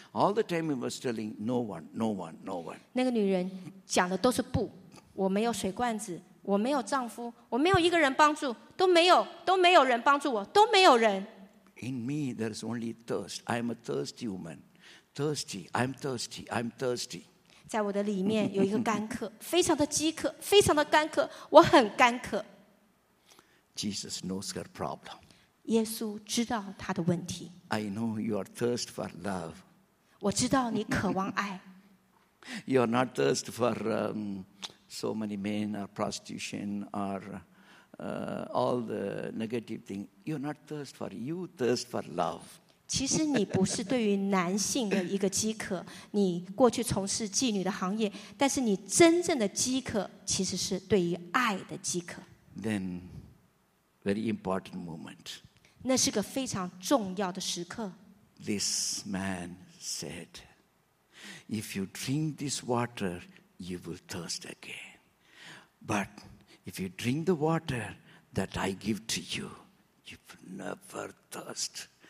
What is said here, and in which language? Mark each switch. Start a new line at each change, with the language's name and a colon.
English: All the time he was telling, no one.
Chinese: 那个女人讲的都是不, 我没有水罐子, 我没有丈夫, 我没有一个人帮助, 都没有人帮助我, 都没有人。
English: In me, there is only thirst. I am a thirsty woman. Thirsty.
Chinese: 在我的里面有一个干渴, 非常的饥渴, 非常的干渴, 我很干渴。
English: Jesus knows her problem.
Chinese: 耶稣知道他的问题。
English: I know you are thirst for love.
Chinese: 我知道你渴望爱。
English: You are not thirst for so many men or prostitution or all the negative things. You are not thirst for you, thirst for love.
Chinese: 其实你不是对于男性的一个饥渴，你过去从事妓女的行业，但是你真正的饥渴其实是对于爱的饥渴。
English: Then, very important moment.
Chinese: 那是个非常重要的时刻。
English: This man said, if you drink this water, you will thirst again. But if you drink the water that I give to you, you will never thirst.